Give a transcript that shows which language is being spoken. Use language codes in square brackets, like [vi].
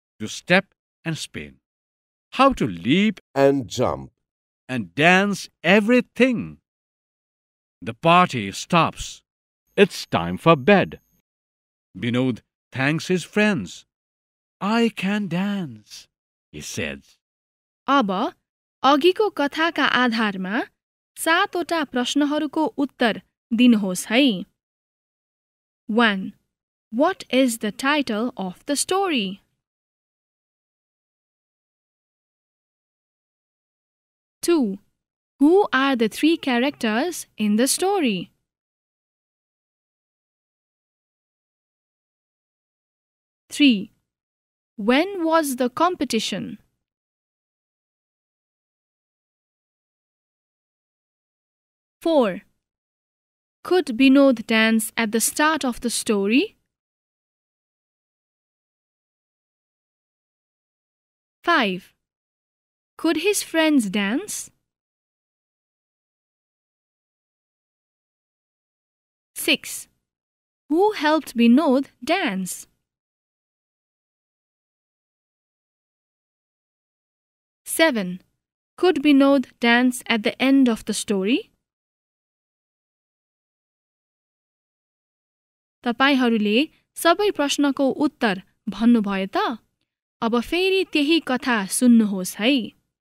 [en] to step and spin, how to leap and jump, and dance everything. The party stops. It's time for bed. Vinod thanks his friends. "I can dance," he says. [ne] अब अघिको कथाका आधारमा सातवटा प्रश्नहरूको उत्तर दिनुहोस् है. [en] 1. What is the title of the story? 2. Who are the three characters in the story? 3. When was the competition? 4. Could Vinod dance at the start of the story? 5. Could his friends dance? 6. Who helped Vinod dance? 7. Could Vinod dance at the end of the story? [ne] तपाईहरूले सबै प्रश्नको उत्तर भन्नुभयो त. अब फेरि त्यही कथा सुन्नुहोस् है.